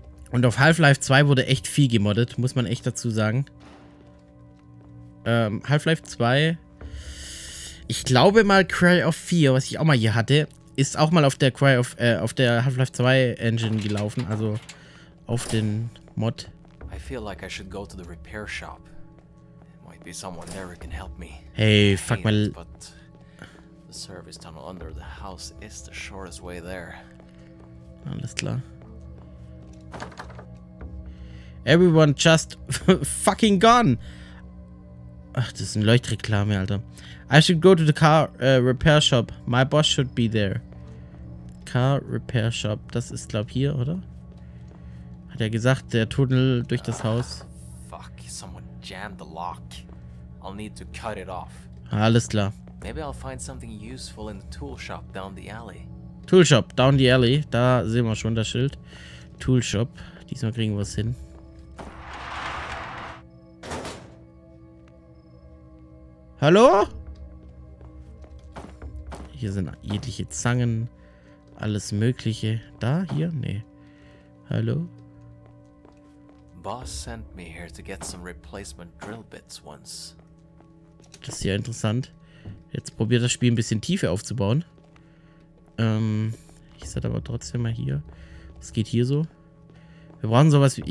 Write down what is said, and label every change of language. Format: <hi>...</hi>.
<de>Und auf Half-Life 2 wurde echt viel gemoddet, muss man echt dazu sagen. Half-Life 2... Ich glaube mal Cry of Fear, was ich auch mal hier hatte, ist auch mal auf der Cry of auf der Half-Life 2 Engine gelaufen, also auf den Mod.</de> <en>I feel like I should go to the repair shop. Might be someone there who can help me. Hey, fuck mal. But the service tunnel under the house is the shortest way there.</en> <de>Alles klar.</de> <en>Everyone just fucking gone.</en> <de>Ach, das ist eine Leuchtreklame, Alter.</de> <en>I should go to the car repair shop. My boss should be there. Car repair shop.</en> <de>Das ist, glaube ich, hier, oder? Hat er gesagt, der Tunnel durch das Haus.</de> <en>Fuck, someone jammed the lock. I'll need to cut it off.</en> <de>Alles klar.</de> <en>Maybe I'll find something useful in the tool shop down the alley. Tool shop, down the alley.</en> <de>Da sehen wir schon das Schild. Tool shop. Diesmal kriegen wir es hin. Hallo? Hier sind jegliche Zangen, alles Mögliche. Da? Hier? Nee. Hallo?</de> <en>Boss sent me here to get some replacement drill bits once.</en> <de>Das ist ja interessant. Jetzt probiert das Spiel ein bisschen Tiefe aufzubauen. Ich sag aber trotzdem mal hier. Was geht hier so? Wir brauchen sowas wie...</de>